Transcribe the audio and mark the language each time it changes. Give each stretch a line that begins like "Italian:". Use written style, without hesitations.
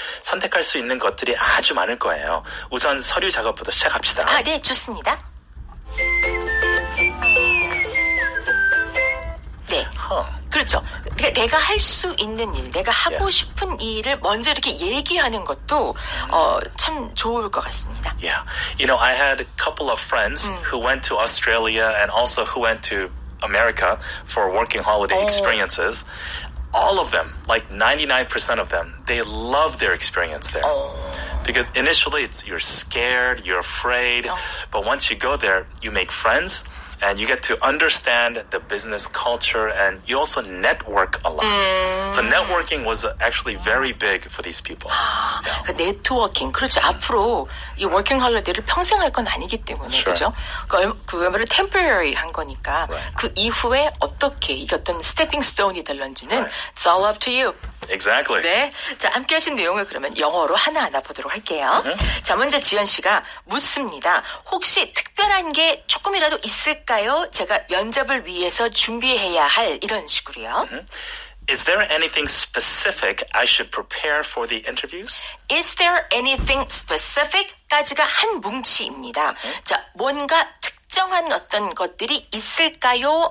Korean: 선택할 수 있는 것들이 아주 많을 거예요. 우선 서류 작업부터 시작합시다. 아, 네, 좋습니다. 네. 그렇죠. 내가 할 수 있는 일, 내가 하고 싶은 일을 먼저 이렇게 얘기하는 것도 참 좋을 것 같습니다.
English: Yeah. You know, I had a couple of friends who went to Australia and also who went to America for working holiday experiences. All of them, like 99% of them, they love their experience there. Because initially it's you're scared, you're afraid, but once you go there, you make friends. And you get to understand the business culture and you also network a lot. So networking was actually very big for these people.
Korean: 아, 네트워킹. 그렇죠. 앞으로 이 워킹 홀리데이를 평생 할 건 아니기 때문에.
English: Sure.
Korean: 그렇죠. 그 외모를 temporary 한 거니까 그 이후에 어떻게 이게 어떤 stepping stone이 될런지는
English: it's all up to you. Exactly.
Korean: 네. 자, 함께 하신 내용을 그러면 영어로 하나하나 보도록 할게요. 자, 먼저 지현 씨가 묻습니다. 혹시 특별한 게 조금이라도 있을까요? 제가 면접을 위해서 준비해야 할 이런 식으로요.
English: Is there anything specific I should prepare for the interviews? Is there anything specific?
Korean: 까지가 한 뭉치입니다. 자, 뭔가 특정한 어떤 것들이 있을까요?